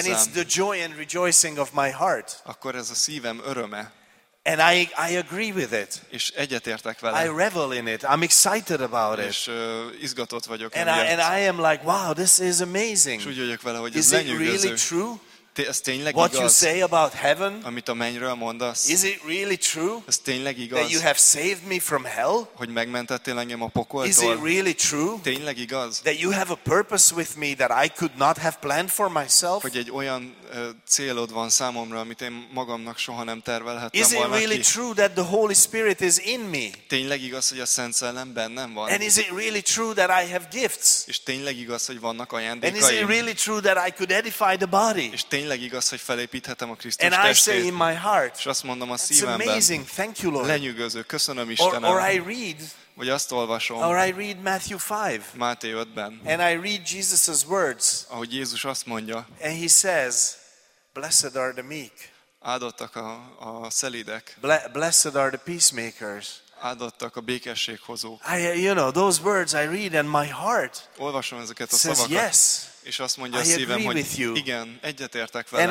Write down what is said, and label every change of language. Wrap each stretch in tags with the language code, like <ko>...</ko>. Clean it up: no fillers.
<en>Then it's the joy and rejoicing of my heart.</en> <hu>Akkor ez a szívem öröme.</hu> <en>And I agree with it.</en> <hu>És egyetértek vele.</hu> <en>I revel in it. I'm excited about</en> <hu>és,</hu> <en>it.</en> <hu>És izgatott vagyok emiatt.</hu> <en>And I am like, wow, this is amazing.</en> <hu>És úgy vagyok vele, hogy</hu> <en>is</en> <hu>ez lenyűgöző.</hu> <en>Is it really true?</en> <hu>Ez tényleg</hu> <en>what</en> <hu>igaz?</hu> <en>You say about heaven?</en> <hu>Amit a mennyről mondasz.</hu> <en>Is it really true?</en> <hu>Ez tényleg igaz?</hu> <en>That you have saved me from hell?</en> <hu>Hogy megmentettél engem a pokoltól.</hu> <en>Is it really true?</en> <hu>Tényleg igaz?</hu> <en>That you have a purpose with me that I could not have planned for myself?</en> <hu>Hogy egy olyan célod van számomra, amit én magamnak soha nem tervelhettem volna ki.</hu> <en>Is it really true that the Holy Spirit is in me?</en> <hu>Tényleg igaz, hogy a Szent Szellem bennem van?</hu> <en>And is it really true that I have gifts?</en> <hu>És tényleg igaz, hogy vannak ajándékaim?</hu> <en>And is it really true that I could edify the body?</en> <hu>És tényleg igaz, hogy felépíthetem a Krisztus</hu> <en>and</en> <hu>testét.</hu> <en>And I say in my heart.</en> <hu>És azt mondom a</hu> <en>that's</en> <hu>szívemben.</hu> <en>Amazing. Thank you, Lord.</en> <hu>Lenyűgöző. Köszönöm Istenem.</hu> <en>Or I read.</en> <hu>Vagy azt olvasom.</hu> <en>Or I read Matthew 5.</en> <hu>Máté 5-ben.</hu> <en>And I read Jesus' words.</en> <hu>Ahogy Jézus azt mondja.</hu> <en>And he says, blessed are the meek.</en> <hu>Áldottak a szelidek.</hu> <en>Blessed are the peacemakers.</en> <hu>Áldottak a békességhozók.</hu> <en>I, you know, those words I read and my heart.</en> <hu>Olvasom ezeket a</hu> <en>says,</en> <hu>szavakat.</hu> <en>Yes.</en> <hu>És azt mondja a szívem, hogy igen, egyetértek veled.</hu>